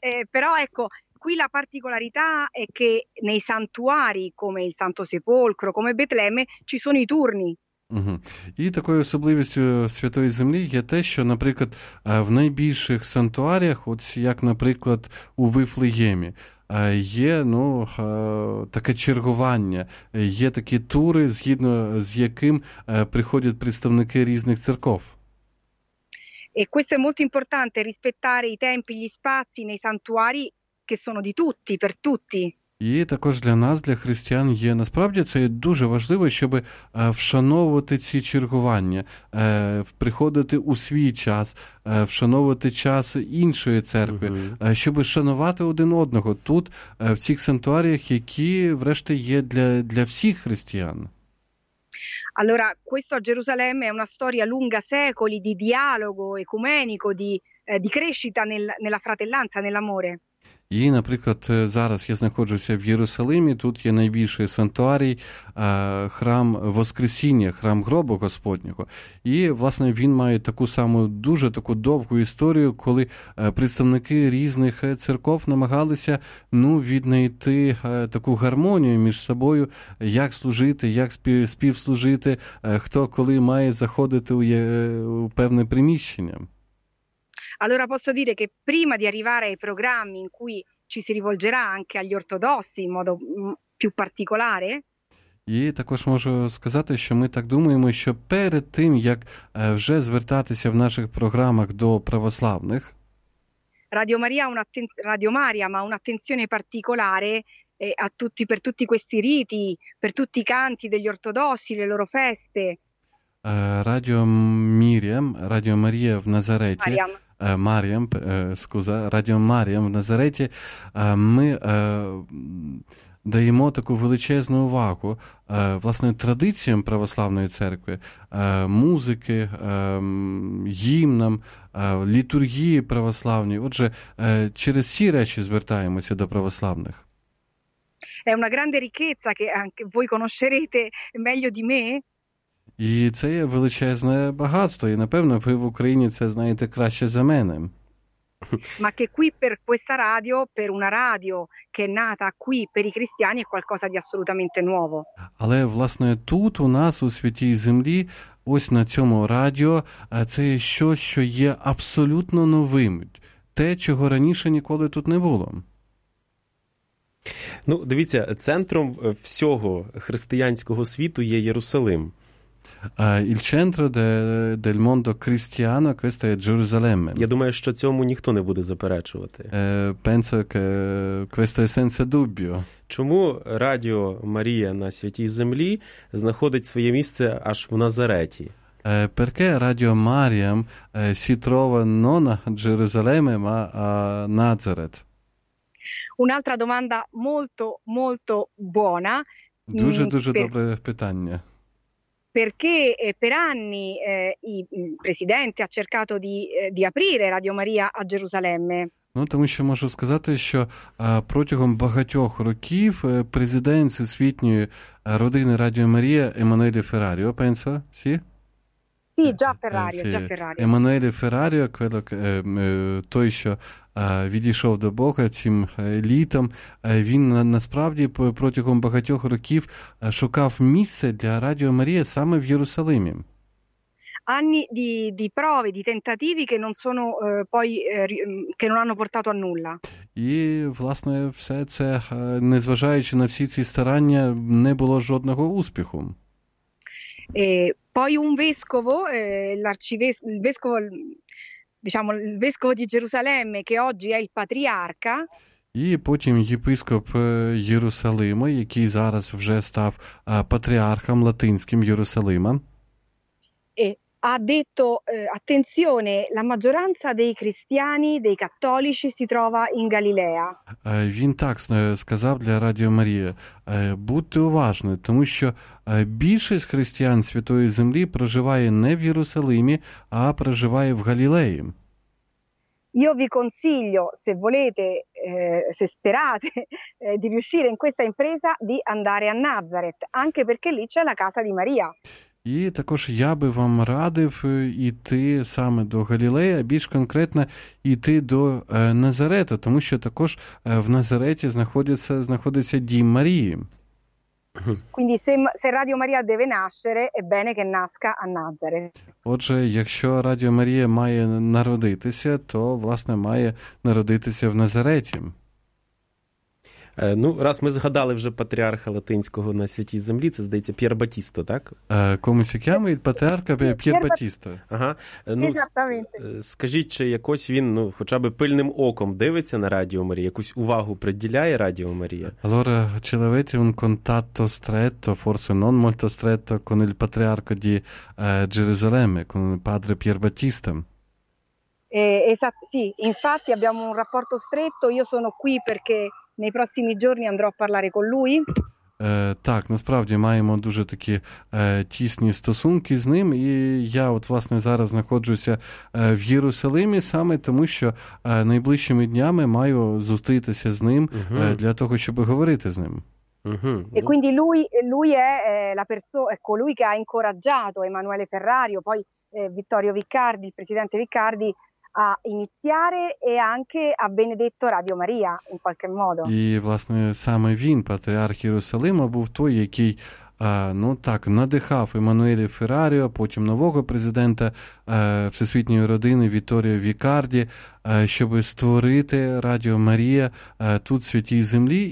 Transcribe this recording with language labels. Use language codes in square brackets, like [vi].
[it] Però qui la particolarità è che nei santuari, come il Santo Sepolcro, come Betlemme, ci sono i turni. Угу. [uk] І такою особливістю Святої Землі є те, що, наприклад, в найбільших сантуаріях, от як, наприклад, у Вифлеємі, є таке чергування, є такі тури, згідно з яким приходять представники різних церков. [it] E questo è molto importante, rispettare i tempi, gli spazi nei santuari che sono di tutti, per tutti. [uk] І також для нас, для християн, є насправді це дуже важливо, щоб вшановувати ці чергування, приходити у свій час, вшановувати час іншої церкви, щоб шанувати один одного тут, в цих сантуаріях, які, врешті, є для всіх християн. [it] Allora, questo a Gerusalemme è una storia lunga secoli di dialogo ecumenico, di crescita nella fratellanza, nell'amore. [uk] І, наприклад, зараз я знаходжуся в Єрусалимі, тут є найбільший сантуарій, храм Воскресіння, храм гробу Господнього. І, власне, він має таку саму дуже таку довгу історію, коли представники різних церков намагалися віднайти таку гармонію між собою, як служити, як співслужити, хто коли має заходити у певне приміщення. [it] Allora posso dire che prima di arrivare ai programmi in cui ci si rivolgerà anche agli ortodossi in modo più particolare? [uk] І також можу сказати, що ми так думаємо, що перед тим, як вже звертатися в наших програмах до православних, [it] Radio Maria ma un'attenzione particolare a tutti, per tutti questi riti, per tutti i canti degli ortodossi, le loro feste. Radio Maria в Назареті. [uk] Радіо Маріям в Назареті, ми даємо таку величезну увагу власне традиціям православної церкви, музики, гімнам, літургії православній. Отже, через ці речі звертаємося до православних. [it] È una grande ricchezza che anche voi conoscerete meglio di me. [uk] І це є величезне багатство, і, напевно, ви в Україні це знаєте краще за мене. [it] Ma che qui per questa radio, per una radio che è nata qui per i cristiani, è qualcosa di assolutamente nuovo. [uk] Але, власне, тут, у нас, у Святій Землі, ось на цьому радіо, це є щось, що є абсолютно новим. Те, чого раніше ніколи тут не було. Ну, дивіться, центром всього християнського світу є Єрусалим. [it] Il centro del mondo cristiano, questo è Gerusalemme. [uk] Я думаю, що цьому ніхто не буде заперечувати. [it] Penso che questo è senza dubbio. [uk] Чому Радіо Марія на Святій Землі знаходить своє місце аж в Назареті? [it] Perché Radio Maria si trova non a Gerusalemme, ma a Nazareth. Un'altra domanda molto, molto buona. [uk] Дуже, дуже добре питання. [it] Perché per anni il presidente ha cercato di aprire Radio Maria a Gerusalemme. [uk] Ну, тому що можу сказати, що протягом багатьох років президент всесвітньої родини Радіо Марія Еммануеле Феррарио, [it] penso, sì? Sì, già Феррарио, sì. Già Феррарио. [uk] Еммануеле Феррарио, [it] quello, [uk] той, що відійшов до Бога цим літом, він насправді протягом багатьох років шукав місце для Радіо Марія саме в Єрусалимі. [it] Anni di prove, di tentativi che non sono poi che non hanno portato a nulla. [uk] І, власне, все це, незважаючи на всі ці старання, не було жодного успіху. [it] E poi un vescovo, l'arcivescovo, diciamo, il vescovo di Gerusalemme che oggi è il patriarca. [uk] І потім єпископ Єрусалима, який зараз вже став патріархом латинським Єрусалима. [it] Ha detto attenzione, la maggioranza dei cristiani, dei cattolici si trova in Galilea. [uk] Він так сказав для Радіо Марія: будьте уважні, тому що більшість християн Святої Землі проживає не в Єрусалимі, а проживає в Галілеї. [it] Io vi consiglio, se volete, se sperate di riuscire in questa impresa, di andare a Nazareth, anche perché lì c'è la casa di Maria. [uk] І також я би вам радив іти саме до Галілеї, а більш конкретно іти до Назарета, тому що також в Назареті знаходиться дім Марії. [it] Quindi se Radio Maria deve nascere, è bene che nasca a Nazaret. [uk] Отже, якщо Радіо Марія має народитися, то власне має народитися в Назареті. Ну, раз ми згадали вже патріарха латинського на Святій Землі, це, здається, П'єр Батісто, так? Комусь як я, ми патріарха П'єр Батісто. Ага. Ну, скажіть, чи якось він, ну, хоча б пильним оком дивиться на Радіо Марія, якусь увагу приділяє Радіо Марія? [it] Allora, ce l'avete un contatto stretto, forse non molto stretto, con il patriarca di Gerusalemme, con padre П'єр Батісто? Sì, infatti abbiamo un rapporto stretto, io sono qui perché... Nei prossimi giorni andrò a parlare con lui. [uk] Так, насправді маємо дуже такі тісні стосунки з ним, і я от власне зараз знаходжуся в Єрусалимі саме тому, що найближчими днями маю зустрітися з ним для того, щоб говорити з ним. [it] E quindi lui è la persona, è colui che ha incoraggiato Emanuele Ferrario, poi Vittorio Viccardi, il presidente Viccardi a iniziare e anche a benedetto Radio Maria in qualche modo. [uk] І власне саме він, патріарх Єрусалима, був той, який ну так надихав Еммануеле Феррарио, потім нового президента всесвітньої родини Вітторіо Вікарді, щоб створити Радіо Марія тут, в Святій Землі.